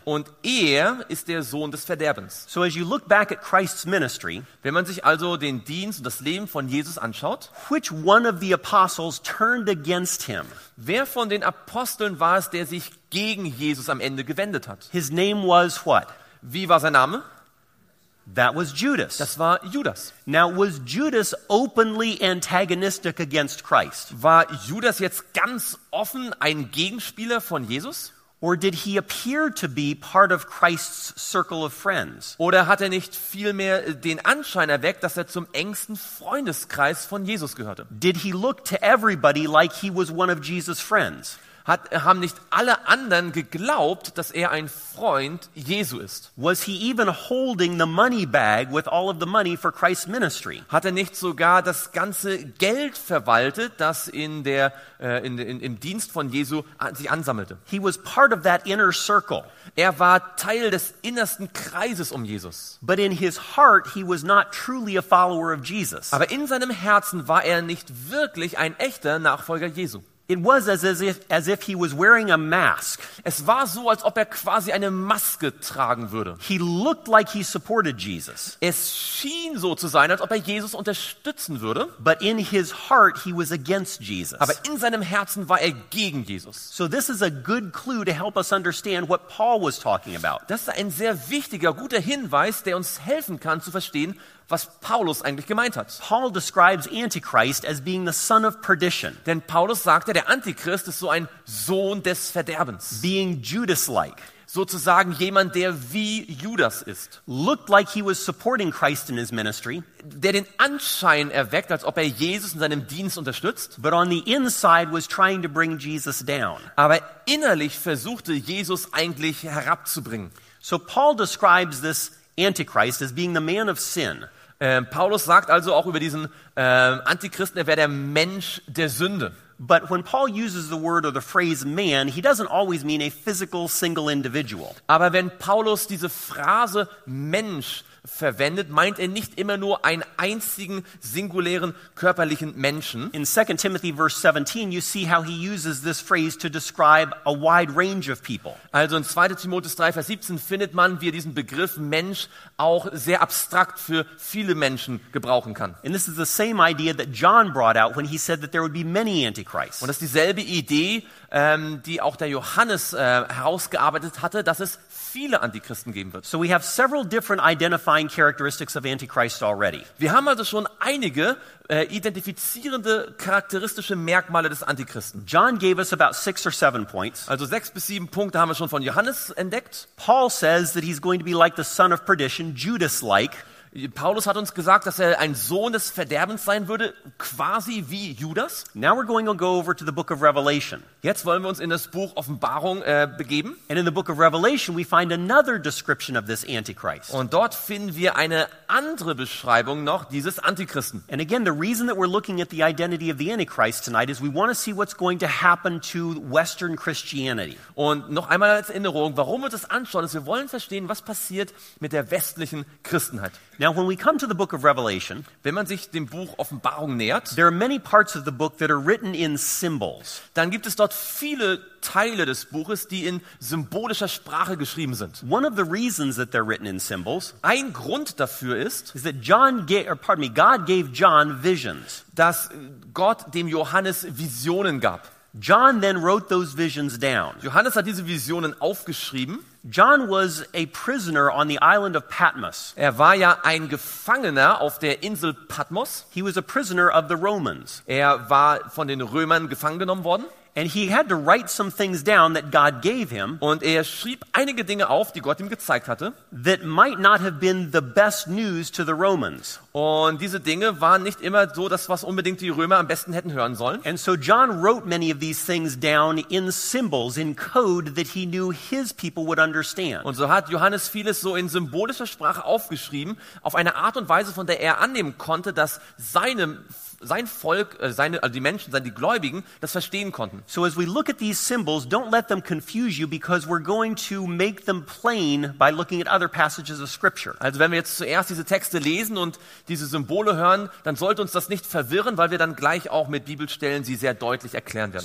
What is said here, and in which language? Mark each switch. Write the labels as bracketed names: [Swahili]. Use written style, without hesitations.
[German] Und er ist der Sohn des Verderbens. [English] So as you look back at Christ's ministry, [German] wenn man sich also den Dienst und das Leben von Jesus anschaut, [English] which one of the apostles turned against him? [German] Wer von den Aposteln war es, der sich gegen Jesus am Ende gewendet hat? [English] His name was what? [German] Wie war sein Name? [English] That was Judas. [German] Das war Judas. [English] Now was Judas openly antagonistic against Christ? [German] War Judas jetzt ganz offen ein Gegenspieler von Jesus? [English] Or did he appear to be part of Christ's circle of friends? [German] Oder hat er nicht vielmehr den Anschein erweckt, dass er zum engsten Freundeskreis von Jesus gehörte? [English] Did he look to everybody like he was one of Jesus' friends? [German] Haben nicht alle anderen geglaubt, dass er ein Freund Jesu ist? [English] Was he even holding the money bag with all of the money for Christ's ministry? [German] Hat er nicht sogar das ganze Geld verwaltet, das im Dienst von Jesu sich ansammelte? [English] He was part of that inner circle. [German] Er war Teil des innersten Kreises um Jesus. [English] But in his heart he was not truly a follower of Jesus. [German] Aber in seinem Herzen war er nicht wirklich ein echter Nachfolger Jesu. [English] It was as if he was wearing a mask. [German] Es war so, als ob er quasi eine Maske tragen würde. [English] He looked like he supported Jesus. [German] Es schien so zu sein, als ob er Jesus unterstützen würde. [English] But in his heart he was against Jesus. [German] Aber in seinem Herzen war er gegen Jesus. [English] So this is a good clue to help us understand what Paul was talking about. [German] Das ist ein sehr wichtiger, guter Hinweis, der uns helfen kann zu verstehen, was Paulus eigentlich gemeint hat. [English] Paul describes Antichrist as being the son of perdition. [German] Denn Paulus sagte, der Antichrist ist so ein Sohn des Verderbens. [English] Being Judas-like. [German] sozusagen jemand, der wie Judas ist. [English] Looked like he was supporting Christ in his ministry. [German] Der den Anschein erweckt, als ob er Jesus in seinem Dienst unterstützt. [English] But on the inside was trying to bring Jesus down. [German] Aber innerlich versuchte Jesus eigentlich herabzubringen. [English] So Paul describes this Antichrist as being the man of sin. [German] Paulus sagt also auch über diesen Antichristen, er wäre der Mensch der Sünde. [English] But when Paul uses the word or the phrase man, he doesn't always mean a physical single individual. [German] Aber wenn Paulus diese Phrase Mensch verwendet, meint er nicht immer nur einen einzigen singulären körperlichen Menschen. [English] In 2 Timothy verse 17 you see how he uses this phrase to describe a wide range of people. [German] Also in 2. Timotheus 3 Vers 17 findet man, wie er diesen Begriff Mensch auch sehr abstrakt für viele Menschen gebrauchen kann. [English] And this is the same idea that John brought out when he said that there would be many antichrists. [German] Und das ist dieselbe Idee, die auch der Johannes herausgearbeitet hatte, dass es viele Antichristen geben wird. [English] So we have several different identifying characteristics of Antichrist already. [German] Wir haben also schon einige identifizierende charakteristische Merkmale des Antichristen. [English] John gave us about 6 or 7 points. [German] Also 6 bis 7 Punkte haben wir schon von Johannes entdeckt. [English] Paul says that he's going to be like the son of perdition, Judas-like. [German] Paulus hat uns gesagt, dass er ein Sohn des Verderbens sein würde, quasi wie Judas. [English] Now we're going to go over to the book of Revelation. [German] Jetzt wollen wir uns in das Buch Offenbarung begeben. [English] And in the book of Revelation we find another description of this Antichrist. [German] Und dort finden wir eine andere Beschreibung noch dieses Antichristen. [English] And again, the reason that we're looking at the identity of the Antichrist tonight is we want to see what's going to happen to Western Christianity. [German] Und noch einmal als Erinnerung, warum wir das anschauen, ist, wir wollen verstehen, was passiert mit der westlichen Christenheit. [English] Now when we come to the book of Revelation, [German] wenn man sich dem Buch Offenbarung nähert, [English] there are many parts of the book that are written in symbols. [German] Dann gibt es dort viele Teile des Buches, die in symbolischer Sprache geschrieben sind. [English] One of the reasons that they're written in symbols, [German] ein Grund dafür ist, [English] is that John gave, or pardon me, God gave John visions. [German] Dass Gott dem Johannes Visionen gab. [English] John then wrote those visions down. [German] Johannes hat diese Visionen aufgeschrieben. [English] John was a prisoner on the island of Patmos. [German] Er war ja ein Gefangener auf der Insel Patmos. [English] He was a prisoner of the Romans. [German] Er war von den Römern gefangen genommen worden. [English] And he had to write some things down that God gave him. [German] Und er schrieb einige Dinge auf, die Gott ihm gezeigt hatte. [English] That might not have been the best news to the Romans. [German] Und diese Dinge waren nicht immer so das, was unbedingt die Römer am besten hätten hören sollen. [English] And so John wrote many of these things down in symbols, in code that he knew his people would understand. [German] Und so hat Johannes vieles so in symbolischer Sprache aufgeschrieben, auf eine Art und Weise, von der er annehmen konnte, dass sein Volk, seine, also die Menschen, die Gläubigen, das verstehen konnten. [English] So as we look at these symbols, don't let them confuse you, because we're going to make them plain by looking at other passages of Scripture. [German] Also wenn wir jetzt zuerst diese Texte lesen und diese Symbole hören, dann sollte uns das nicht verwirren, weil wir dann gleich auch mit Bibelstellen sie sehr deutlich erklären werden.